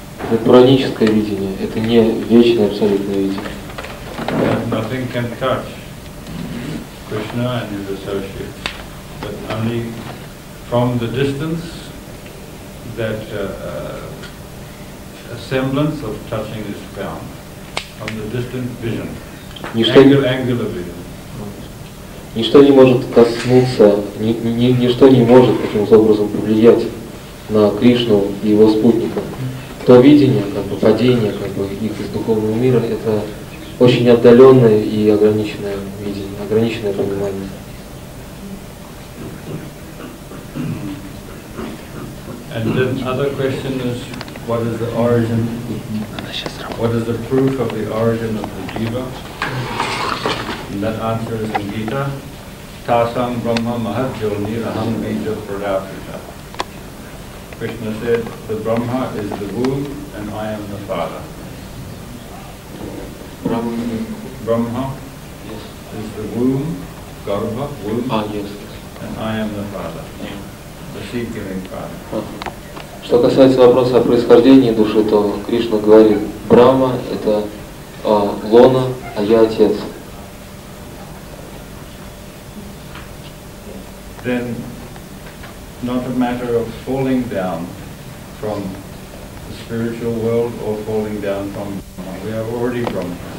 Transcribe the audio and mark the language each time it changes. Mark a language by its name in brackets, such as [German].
[Russian] Это пураническое видение, это не вечное абсолютное видение. [English] Nothing can touch Krishna and his associates, but only from the distance that a semblance of touching is found, from the distant vision, angular vision. [Russian] Ничто не может коснуться, ничто не может таким образом повлиять на Кришну и его спутников. То видение, как бы падение, как бы их из духовного мира, это очень отдаленное и ограниченное видение, ограниченное понимание. [English] And the other question is, what is the origin? What is the proof of the origin of the jiva? And that answer is in Gita. [Sanskrit] Tasam Brahma Mahatyo Niraham Meja Pradapita. [English] Krishna said, the Brahma is the womb and I am the father. Brahma is the womb, garbha, womb, yes. And I am the father, the seed-giving father. [Russian] Что касается вопроса о происхождении души, то Кришна говорит, Брахма – это лона, а я – отец. [English] Then, not a matter of falling down from the spiritual world or falling down from Brahma. We are already Brahma.